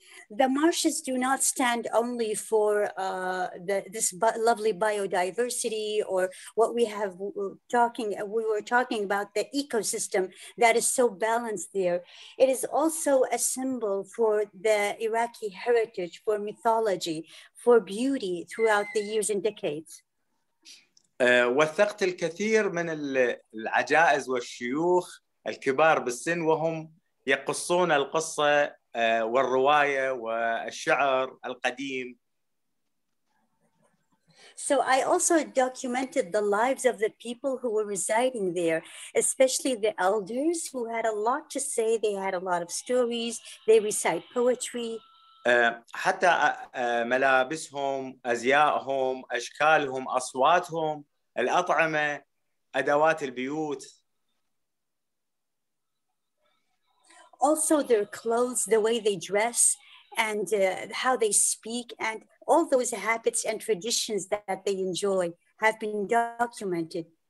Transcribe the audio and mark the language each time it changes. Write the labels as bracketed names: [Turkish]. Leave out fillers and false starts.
[English] The marshes do not stand only for lovely biodiversity or what we were talking about, the ecosystem that is so balanced there. It is also a symbol for the Iraqi heritage, for mythology, for beauty throughout the years and decades. [Arabic] وثقت الكثير من العجائز والشيوخ الكبار بالسن وهم يقصون القصة والرواية والشعر القديم. [English] So I also documented the lives of the people who were residing there, especially the elders who had a lot to say. They had a lot of stories. They recite poetry. [Arabic] حتى ملابسهم، أزياءهم، أشكالهم، أصواتهم، الأطعمة، أدوات البيوت. [English] Also their clothes, the way they dress, and how they speak, and all those habits and traditions that they enjoy have been documented.